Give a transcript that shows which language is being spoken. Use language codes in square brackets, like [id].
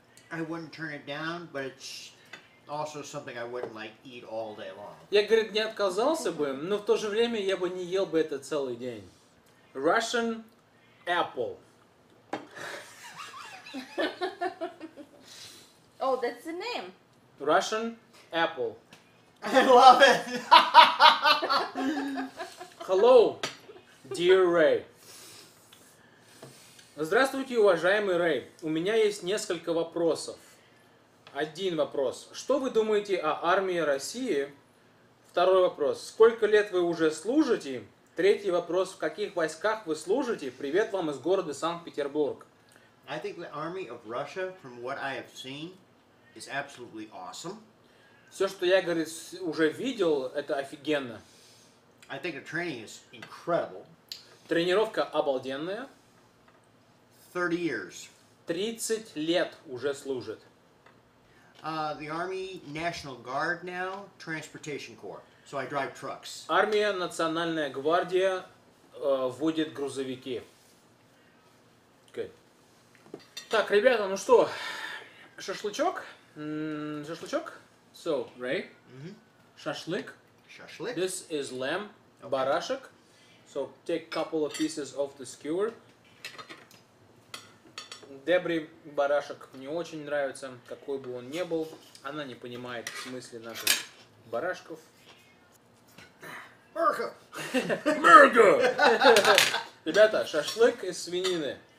[en] I wouldn't turn it down, but it's also something I wouldn't like eat all day long. [ru] Я, говорит, не отказался бы, но в то же время я бы не ел бы это целый день. [en] Russian apple. Oh, that's the name. Russian apple. I love it! Hello, dear Ray. [ru] Здравствуйте, уважаемый Ray. У меня есть несколько вопросов. Один вопрос. Что вы думаете о армии России? Второй вопрос. Сколько лет вы уже служите? Третий вопрос. В каких войсках вы служите? Привет вам из города Санкт-Петербург. [en] I think the army of Russia, from what I have seen, is absolutely awesome. [ru] Все, что я, говорит, уже видел, это офигенно. [en] I think the training is incredible. [ru] Тренировка обалденная. [en] 30 years. [ru] 30 лет уже служит. [en] The Army National Guard now, Transportation Corps. So I drive trucks. [ru] Армия, Национальная гвардия, водит грузовики. [en] Good. [ru] Так, ребята, ну что, шашлычок? Шашлычок? So, Ray, шашлык. Шашлык. [en] This is lamb, барашек. So, take a couple of pieces off the skewer. [ru] Дебри барашек не очень нравится, какой бы он ни был. Она не понимает в смысле наших барашков. Мерка! Мерка! Ребята, шашлык из свинины.